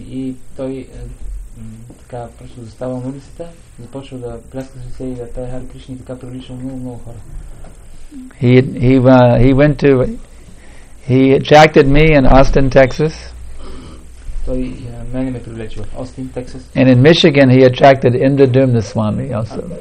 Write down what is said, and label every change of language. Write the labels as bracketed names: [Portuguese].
[Bulgarian] И той така просто застава на улицата, започва да пляска с ръце и да пее Хари Кришна и така привличал много, много хора. [English] He attracted me in Austin, Texas. [Bulgarian] Той мене ме привлече в Austin, Texas. [English] And in Michigan he attracted Indradumna Swami also.